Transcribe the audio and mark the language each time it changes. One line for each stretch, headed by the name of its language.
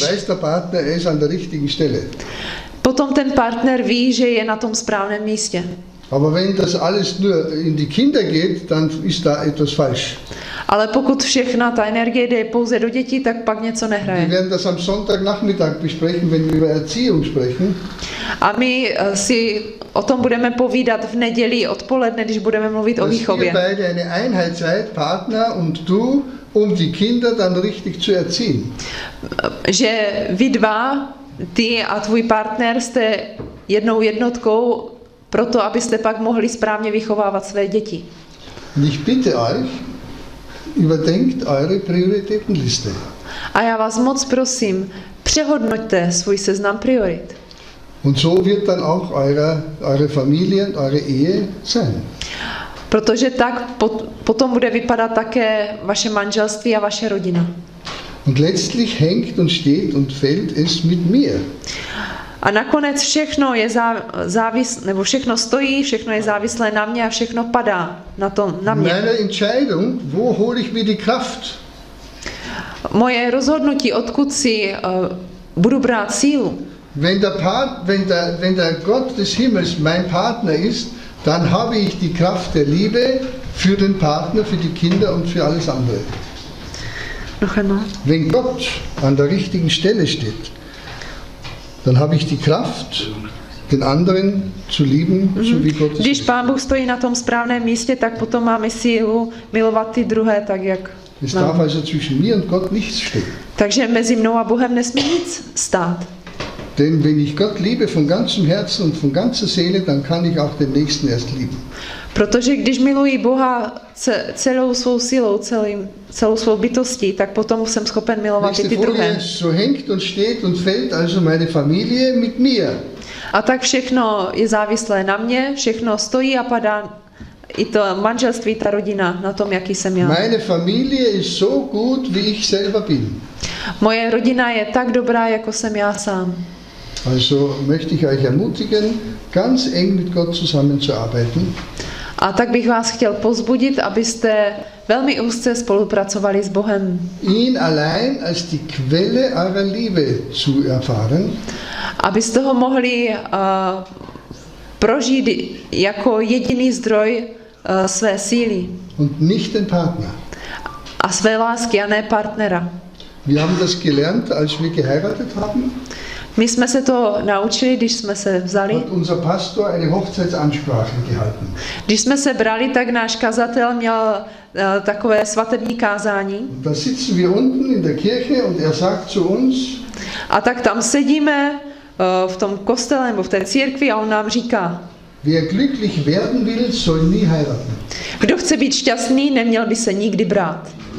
German: Dann weiß der Partner, er ist an der richtigen Stelle.
Czech: Potom ten partner ví, že je na tom správném místě.
German: Aber wenn das alles nur in die Kinder geht, dann ist da etwas falsch.
Czech: Ale pokud všechna ta energie jde pouze do dětí, tak pak něco nehraje.
German: Wir werden das am Sonntagnachmittag besprechen, wenn wir über Erziehung sprechen.
Czech: A my si o tom budeme povídat v neděli odpoledne, když budeme mluvit
German: dass
Czech: o výchově.
German: Dass ihr beide eine Einheit seid, Partner und du, um die Kinder dann richtig zu erziehen.
Czech: Že vy dva, ty a tvůj partner jste jednou jednotkou, proto abyste pak mohli správně vychovávat své děti.
German: Ich bitte euch, überdenkt eure Prioritätenliste.
Czech: A já vás moc prosím, přehodnoťte svůj seznam priorit.
German: Und so wird dann auch eure Familie und eure Ehe sein.
Czech: Protože tak potom bude vypadat také vaše manželství a vaše rodina.
German: Und letztlich hängt und steht und fällt es mit mir.
Czech: A nakonec všechno je nebo všechno stojí, všechno je závislé na mě a všechno padá na tom na mě.
German: Meine Entscheidung, wo hole ich mir die Kraft?
Czech: Moje rozhodnutí, odkud si budu brát sílu?
German: Wenn der Gott des Himmels mein Partner ist, dann habe ich die Kraft der Liebe für den Partner, für die Kinder und für alles andere. Noch einmal. Wenn Gott an der richtigen Stelle steht, dann habe ich die Kraft, den anderen zu lieben, so wie Gott es will.
Czech: Když Pán Bůh stojí na tom správném místě, tak potom máme sílu milovat ty druhé tak, jak es mám.
German: Darf also zwischen mir und Gott nichts stehen.
Czech: Takže mezi mnou a Bohem nesmí nic stát.
German: Denn wenn ich Gott liebe von ganzem Herzen und von ganzer Seele, dann kann ich auch den Nächsten erst lieben.
Czech: Protože když miluji Boha celou svou silou, celou svou bytostí, tak potom jsem schopen milovat i ty druhé.
German: So hängt und steht und fällt also meine Familie mit mir.
Czech: A tak všechno je závislé na mě, všechno stojí a padá i to manželství, ta rodina na tom, jaký jsem já.
German: Meine Familie ist so gut, wie ich selber bin.
Czech: Moje rodina je tak dobrá, jako jsem já sám.
German: Also möchte ich euch ermutigen, ganz eng mit Gott zusammenzuarbeiten.
Czech: A tak bych vás chtěl pozbudit, abyste velmi úzce spolupracovali s Bohem.
German: Ihn allein als die Quelle eurer Liebe zu erfahren.
Czech: Abyste ho mohli prožít jako jediný zdroj své síly.
German: Und nicht den Partner.
Czech: A své lásky, a ne partnera.
German: Wir haben das gelernt, als wir geheiratet haben.
Czech: My jsme se to naučili, když jsme se vzali.
German: Hat unser Pastor eine Hochzeitsansprache gehalten.
Czech: Když jsme se brali, tak náš kazatel měl takové svatební kázání.
German: Da sitzen wir unten in der Kirche und er sagt zu uns.
Czech: A tak tam sedíme v tom kostele nebo v té církvi a on nám říká.
German: Wer glücklich werden will, soll nie heiraten.
Czech: Kdo chce být šťastný, neměl by se nikdy brát.